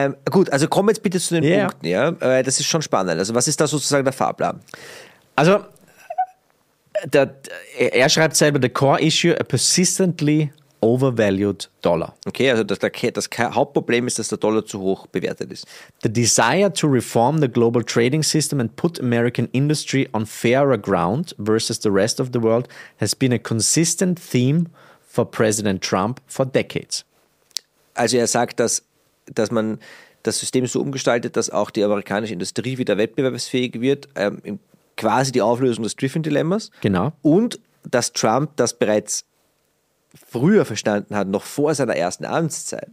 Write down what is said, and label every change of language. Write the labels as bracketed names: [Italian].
[German] Gut, also komm jetzt bitte zu den Punkten. Ja? Das ist schon spannend. Also was ist da sozusagen der Fahrplan? Also er schreibt selber, [English] the core issue, a persistently overvalued dollar. [German] Okay, also das Hauptproblem ist, dass der Dollar zu hoch bewertet ist. [English] The desire to reform the global trading system and put American industry on fairer ground versus the rest of the world has been a consistent theme for President Trump for decades. [German] Also er sagt, dass man das System so umgestaltet, dass auch die amerikanische Industrie wieder wettbewerbsfähig wird, quasi die Auflösung des Griffin-Dilemmas. Genau. Und dass Trump das bereits früher verstanden hat, noch vor seiner ersten Amtszeit.